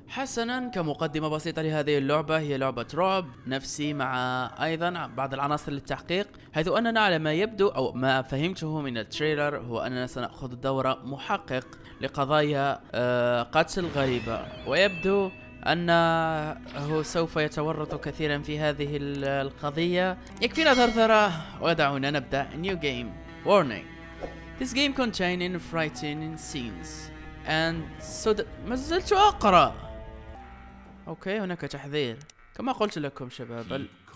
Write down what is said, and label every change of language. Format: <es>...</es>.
<ar>حسنا، كمقدمة بسيطة لهذه اللعبة، هي لعبة رعب نفسي مع ايضا بعض العناصر للتحقيق، حيث اننا على ما يبدو او ما فهمته من التريلر هو اننا سنأخذ دور محقق لقضايا قتل غريبة، ويبدو انه سوف يتورط كثيرا في هذه القضية. يكفينا ثرثرة ودعونا نبدأ.</ar> <en>New game warning: This game contains frightening scenes and so</en> <ar>ما زلت اقرا. اوكي، هناك تحذير كما قلت لكم شباب.</ar>